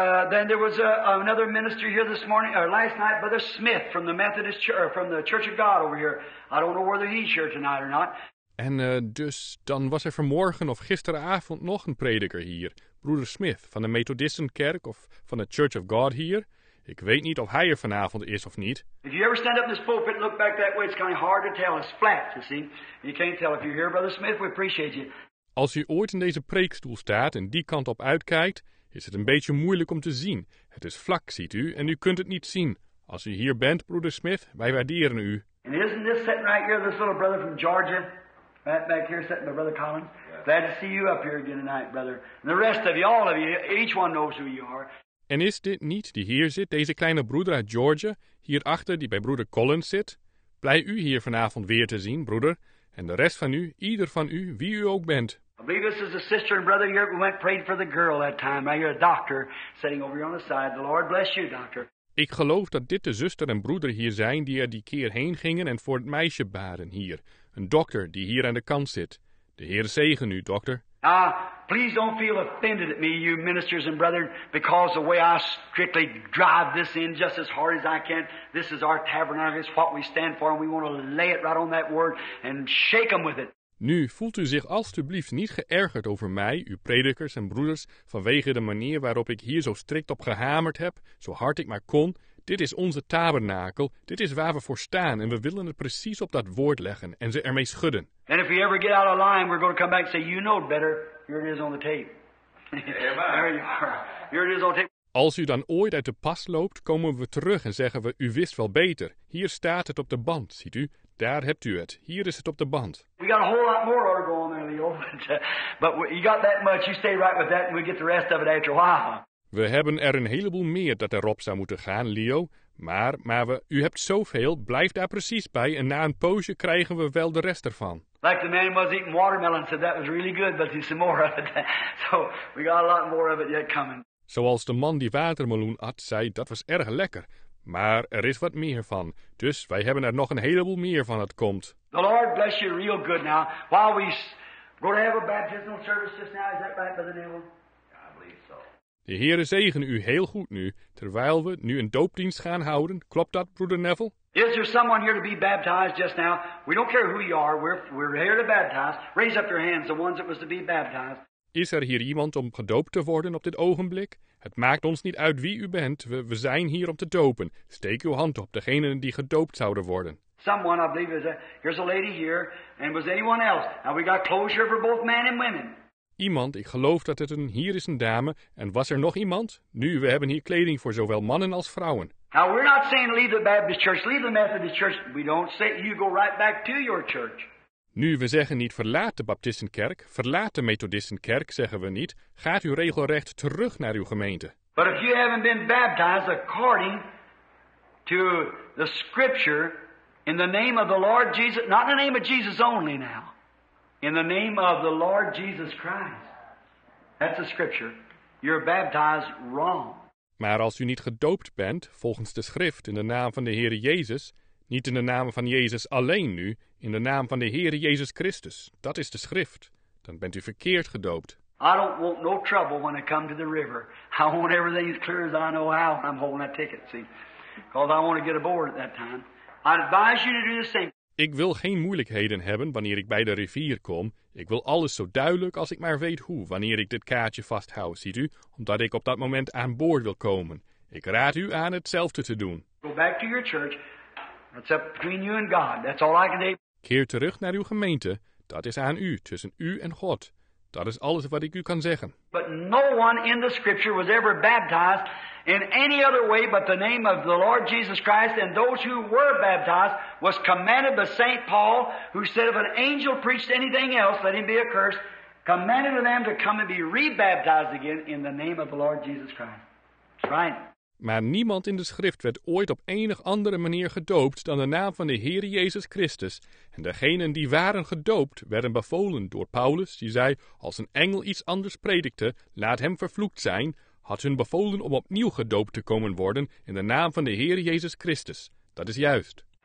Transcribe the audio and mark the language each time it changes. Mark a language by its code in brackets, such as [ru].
[en] Then there was another minister here this morning or last night, Brother Smith from the Methodist Church, from the Church of God over here. I don't know whether he's here tonight or not. [nl] En dan was er vanmorgen of gisteravond nog een prediker hier, Broeder Smith van de Methodistenkerk of van de Church of God hier. Ik weet niet of hij er vanavond is of niet. [en] If you ever stand up in this pulpit and look back that way, it's kind of hard to tell. It's flat, you see. You can't tell if you're here, Brother Smith. We appreciate you. [nl] Als u ooit in deze preekstoel staat en die kant op uitkijkt, is het een beetje moeilijk om te zien. Het is vlak, ziet u, en u kunt het niet zien. Als u hier bent, broeder Smith, wij waarderen u. [en] And isn't this sitting right here, this little brother from Georgia? Right back here sitting, my brother Collins. Glad to see you up here again tonight, brother. And the rest of you, all of you, each one knows who you are. [nl] En is dit niet die hier zit, deze kleine broeder uit Georgia, hierachter die bij broeder Collins zit? Blij u hier vanavond weer te zien, broeder. En de rest van u, ieder van u, wie u ook bent. [en] I believe this is a sister and brother here who went prayed for the girl that time. Now you're a doctor sitting over here on the side. The Lord bless you, doctor. [nl] Ik geloof dat dit de zuster en broeder hier zijn die er die keer heen gingen en voor het meisje baren hier. Een dokter die hier aan de kant zit. De Heer zegen u, dokter. [en] Please don't feel offended at me, you ministers and brethren, because the way I strictly drive this in just as hard as I can, this is our tabernacle, it's what we stand for, and we want to lay it right on that word and shake them with it. [nl] Nu, voelt u zich alstublieft niet geërgerd over mij, uw predikers en broeders, vanwege de manier waarop ik hier zo strikt op gehamerd heb, zo hard ik maar kon. Dit is onze tabernakel, dit is waar we voor staan en we willen het precies op dat woord leggen en ze ermee schudden. [en] And if we ever get out of line, we're going to come back and say, you know better, here it is on the tape. There you are, here it is on tape. [nl] Als u dan ooit uit de pas loopt, komen we terug en zeggen we, u wist wel beter. Hier staat het op de band, ziet u? Daar hebt u het. Hier is het op de band. [en] We got a whole lot more order going there, Leo. But you got that much, you stay right with that and we get the rest of it after a while. [nl] We hebben er een heleboel meer dat erop zou moeten gaan, Leo. Maar u hebt zoveel, blijf daar precies bij en na een poosje krijgen we wel de rest ervan. [en] Like the man was eating watermelon, said that was really good, but there's some more of it. So we got a lot more of it yet coming. [nl] Zoals de man die watermeloen at zei, dat was erg lekker. Maar er is wat meer van. Dus wij hebben er nog een heleboel meer van het komt. [en] The Lord bless you real good now. While we go to have a baptismal service just now, is that right, Brother Neville? I believe so. [nl] De Heere zegen u heel goed nu, terwijl we nu een doopdienst gaan houden. Klopt dat, Broeder Neville? [en] Is there someone here to be baptized just now? We don't care who you are, we're here to baptize. Raise up your hands, the ones that was to be baptized. [nl] Is er hier iemand om gedoopt te worden op dit ogenblik? Het maakt ons niet uit wie u bent. We zijn hier om te dopen. Steek uw hand op, degenen die gedoopt zouden worden. [en] Someone, I believe, here's a lady here. And was anyone else? Now we got closure for both men and women. [nl] Iemand, ik geloof dat het een hier is een dame. En was er nog iemand? Nu, we hebben hier kleding voor zowel mannen als vrouwen. [en] Now we're not saying leave the Baptist church, leave the Methodist church. We don't say you go right back to your church. [nl] Nu, we zeggen niet verlaat de Baptistenkerk, verlaat de Methodistenkerk, zeggen we niet. Gaat u regelrecht terug naar uw gemeente. [en] But if you haven't been baptized according to the scripture, in the name of the Lord Jesus, not in the name of Jesus only now, in the name of the Lord Jesus Christ, that's the scripture, you're baptized wrong. [nl] Maar als u niet gedoopt bent, volgens de schrift, in de naam van de Heere Jezus, niet in de naam van Jezus alleen nu, in de naam van de Heere Jezus Christus. Dat is de schrift. Dan bent u verkeerd gedoopt. [en] I don't want no trouble when I come to the river. I want everything as clear as I know how when I'm holding that ticket, see. Because I want to get aboard at that time. I advise you to do the same. [nl] Ik wil geen moeilijkheden hebben wanneer ik bij de rivier kom. Ik wil alles zo duidelijk als ik maar weet hoe, wanneer ik dit kaartje vasthoud, ziet u, omdat ik op dat moment aan boord wil komen. Ik raad u aan hetzelfde te doen. [en] Go back to your church. That's up between you and God. That's all I can do. [nl] Keer terug naar uw gemeente. Dat is aan u, tussen u en God. Dat is alles wat ik u kan zeggen. [en] But no one in the scripture was ever baptized in any other way but the name of the Lord Jesus Christ. And those who were baptized was commanded by St. Paul, who said if an angel preached anything else, let him be accursed, commanded them to come and be rebaptized again in the name of the Lord Jesus Christ. That's right. [nl] Maar niemand in de schrift werd ooit op enig andere manier gedoopt dan de naam van de Heer Jezus Christus. En degenen die waren gedoopt, werden bevolen door Paulus, die zei, als een engel iets anders predikte, laat hem vervloekt zijn, had hun bevolen om opnieuw gedoopt te komen worden in de naam van de Heer Jezus Christus. Dat is juist.